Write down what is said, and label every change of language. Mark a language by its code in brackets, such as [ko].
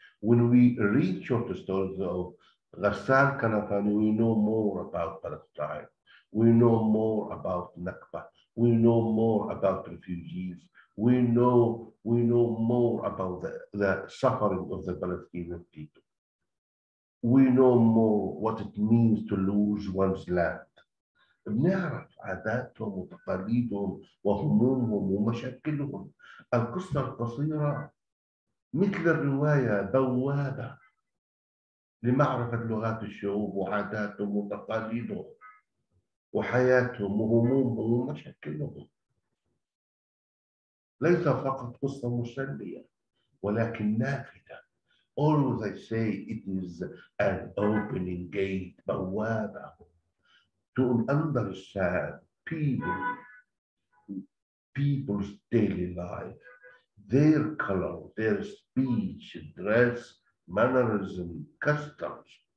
[en] When we read short stories of Ghassan Kanafani, we know more about Palestine. We know more about Nakba. We know more about refugees. We know more about the suffering of the Palestinian people. We know more what it means to lose one's land. [ar] بنعرف عاداتهم وتقاليدهم وهمومهم ومشاكلهم. القصة القصيرة مثل الرواية بوابة لمعرفة لغات الشعوب وعاداتهم وتقاليدهم وحياتهم وهمومهم ومشاكلهم. ليس فقط قصة مسلية ولكن نافذة. [en] Always I say it is an opening gate, [ar] بوابة, [en] to understand people's daily life, their color, their speech, dress, mannerism, customs.